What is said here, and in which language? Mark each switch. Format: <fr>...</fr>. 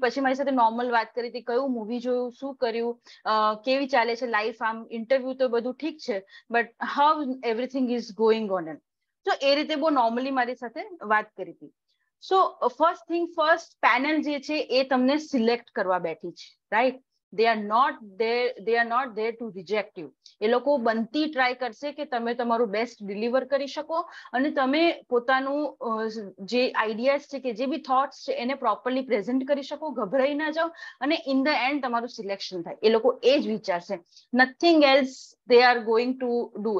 <gu>પછી મારી સાથે નોર્મલ વાત કરી હતી, કયું મૂવી જોયું, શું કર્યું, કેવી ચાલે છે લાઈફ, આમ ઇન્ટરવ્યુ તો બધું ઠીક છે</gu> <en>but how everything is going on,</en> <gu>એમ તો એ રીતે બહુ નોર્મલી મારી સાથે વાત કરી હતી.</gu> <en>so first thing first,</en> <gu>panel જે છે એ તમને સિલેક્ટ કરવા બેઠી છે, right?</gu> <en>They are not there to reject you.</en> <gu>એ લોકો બનતી ટ્રાય કરશે કે તમે તમારું બેસ્ટ ડિલિવર કરી શકો અને તમે પોતાનું જે આઈડિયાઝ છે કે જે બી થોટ્સ છે એને પ્રોપરલી પ્રેઝન્ટ કરી શકો, ગભરાઈ ના જાઓ અને</gu> <en>in the end</en> <gu>તમારું સિલેક્શન થાય. એ લોકો એ જ વિચારશે,</gu> <en>Nothing else they are going to do.</en>